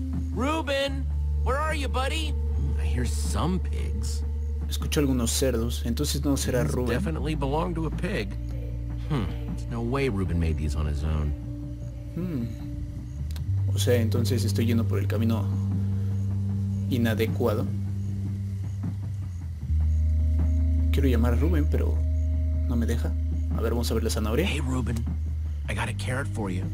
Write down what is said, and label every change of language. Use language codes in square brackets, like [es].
[en] Ruben, where are you, buddy? I hear some pigs. [es] Escucho algunos cerdos, entonces no será Ruben. [en] Definitely belong to a pig. There's no way Ruben made these on his own. [es] O sea, entonces estoy yendo por el camino inadecuado. Quiero llamar a Ruben, pero no me deja. A ver, vamos a ver la zanahoria. [en] Hey Ruben, I got a carrot for you.